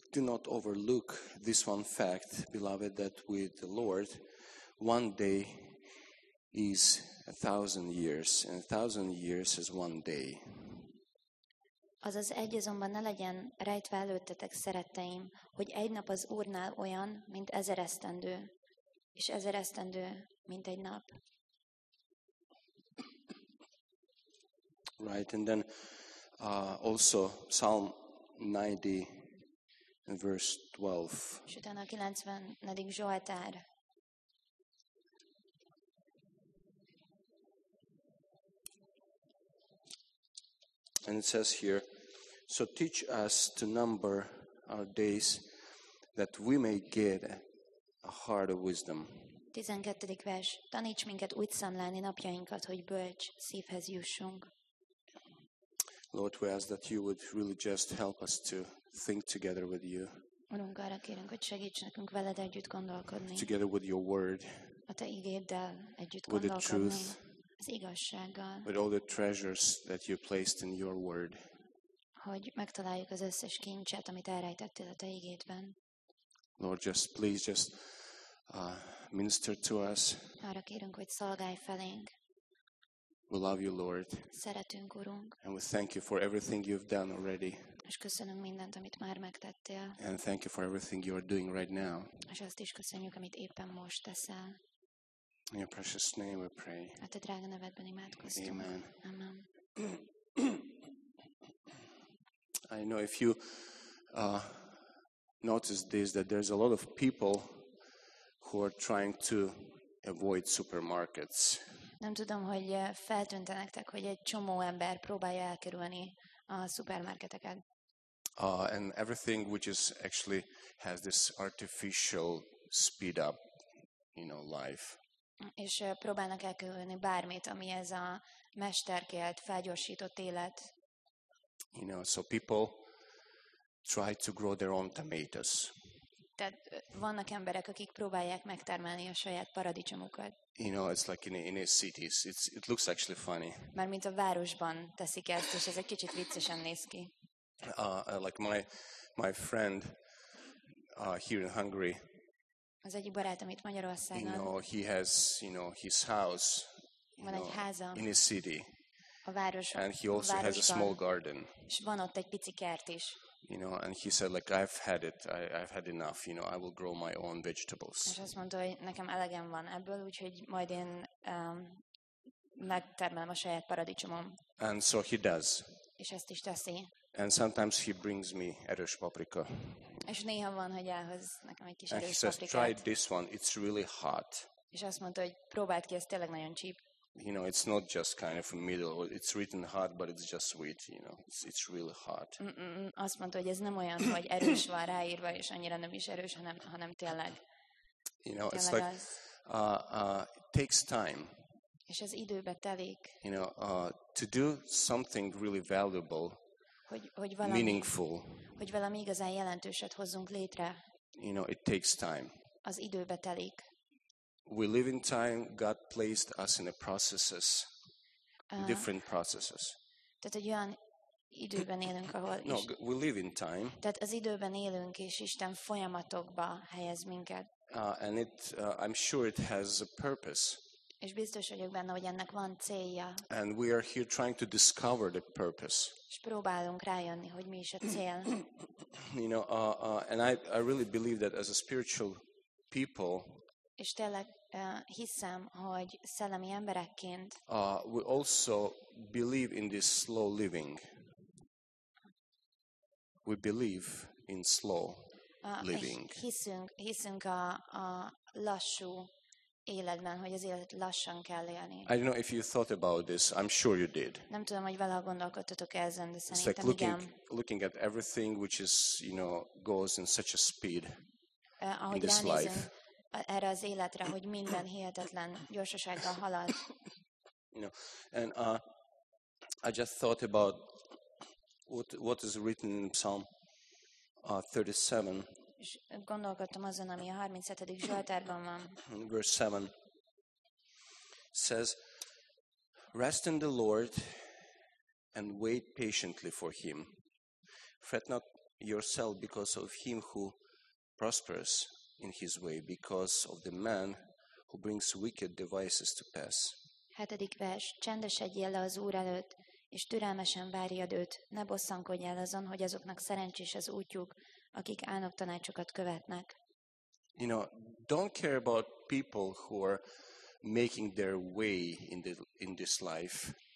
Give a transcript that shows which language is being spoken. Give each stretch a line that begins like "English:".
English: do not overlook this one fact, beloved, that with the Lord one day is 1,000 years, and 1,000 years is one day.
Hungarian: Azaz egy azonban ne legyen rejtve előttetek, szeretteim, hogy egy nap az Úrnál olyan, mint 1000 esztendő, és 1000 esztendő, mint egy nap.
English: Right, and then also Psalm 90 and verse 12.
Hungarian: És utána a 90. Zsoltár.
English: And it says here, so teach us to number our days that we may get a heart of wisdom.
Hungarian: 12. vers. Taníts minket úgy számlálni napjainkat, hogy bölcs szívhez jussunk.
English: Lord, we ask that you would really just help us to think together with you.
Hungarian: Urunk, arra kérünk, hogy segíts nekünk veled együtt gondolkodni.
English: Together with your word.
Hungarian: A te igéddel együtt
English: with
Hungarian: gondolkodni.
English: The truth.
Hungarian: Az igazsággal.
English: With all the treasures that you placed in your word.
Hungarian: Hogy megtaláljuk az összes kincset, amit elrejtettél a te igédben.
English: Lord, just please just minister to us.
Hungarian: Arra kérünk, hogy szolgálj felénk.
English: We love you, Lord.
Hungarian: Szeretünk, Urunk.
English: And we thank you for everything you've done already.
Hungarian: És köszönünk mindent, amit már megtettél.
English: And thank you for everything you are doing right now.
Hungarian: És azt is köszönjük, amit éppen most teszel.
English: In your precious name we pray.
Hungarian: A te drága nevedben imádkoztunk.
English: Amen.
Hungarian: Amen.
English: I know if you notice this, that there's a lot of people who are trying to avoid supermarkets.
Hungarian: Nem tudom, hogy feltűnte nektek, hogy egy csomó ember próbálja elkerülni a szupermarketeket.
English: And everything which is actually has this artificial speed up, you know, life.
Hungarian: És próbálnak elkerülni bármit, ami ez a mesterkelt, felgyorsított élet.
English: You know, so people try to grow their own tomatoes.
Hungarian: Tehát vannak emberek, akik próbálják megtermelni a saját paradicsomukat.
English: You know, it's like in a cities. It looks actually funny.
Hungarian: Mert mint a városban teszik ezt, és ez egy kicsit viccesen néz ki.
English: Like my friend here in Hungary.
Hungarian: Az egyik barátom itt Magyarországon.
English: You know, he has, you know, his house.
Hungarian: Van egy háza.
English: In a city.
Hungarian: A városban.
English: And he also has a small garden.
Hungarian: És van ott egy pici kert is.
English: You know, and he said, like, I've had it. I've had enough. You know, I will grow my own vegetables.
Hungarian: És azt mondta, hogy nekem elegem van ebből, úgyhogy majd én megtermelem a saját paradicsomom.
English: And so he does.
Hungarian: És ezt is teszi.
English: And sometimes he brings me erős paprika.
Hungarian: És néha van, hogy elhoz nekem egy kis
English: and
Hungarian: erős
English: he says,
Hungarian: paprikát.
English: Try this one. It's really hot.
Hungarian: És azt mondta, hogy próbáld ki, ez tényleg nagyon cheap.
English: You know, it's not just kind of a middle. It's written hot, but it's just sweet. You know, it's really hot.
Hungarian: Azt mondta, hogy ez nem olyan, hogy erős van ráírva, és annyira nem is erős, hanem tényleg.
English: You know, it's like it takes time.
Hungarian: És ez időbe telik.
English: You know, to do something really valuable,
Hungarian: hogy valami,
English: meaningful.
Hungarian: Hogy valami igazán jelentőset hozzunk létre.
English: You know, it takes time.
Hungarian: Az időbe telik.
English: We live in time. God placed us in a processes, different processes.
Hungarian: Tehát egy olyan időben élünk, ahol
English: no, we live in time.
Hungarian: Tehát az időben élünk, és Isten folyamatokba helyez minket.
English: And it, I'm sure it has a purpose.
Hungarian: És biztos vagyok benne, hogy ennek van célja.
English: And we are here trying to discover the purpose.
Hungarian: És próbálunk rájönni, hogy mi is a cél.
English: You know, and I really believe that as a spiritual people.
Hungarian: És tényleg hiszem, hogy szellemi emberekként
English: we also believe in this slow living. We believe in slow living.
Hungarian: Hiszünk a lassú életben, hogy az életet lassan kell élni.
English: I don't know if you thought about this. I'm sure you did.
Hungarian: Nem tudom, hogy valaha gondolkodtatok ezen, de szerintem
English: it's like
Hungarian: igen.
English: Looking at everything which is, you know, goes in such a speed
Hungarian: ahogy
English: in this life.
Hungarian: erre az életre, hogy minden hihetetlen gyorsasággal halad. No.
English: And I just thought about what is written in Psalm 37.
Hungarian: És gondolkodtam azon, ami a 37. Zsoltárban van.
English: Verse 7 says, rest in the Lord and wait patiently for him. Fret not yourself because of him who prospers in his way, because of the man who brings wicked devices to pass.
Hungarian: 7. vers, csendesedjél le az Úr előtt, és türelmesen várjad őt, ne bosszankodj el azon, hogy azoknak szerencsés az útjuk, akik álnok tanácsokat követnek.
English: You know, don't care about people who are making their way in this life.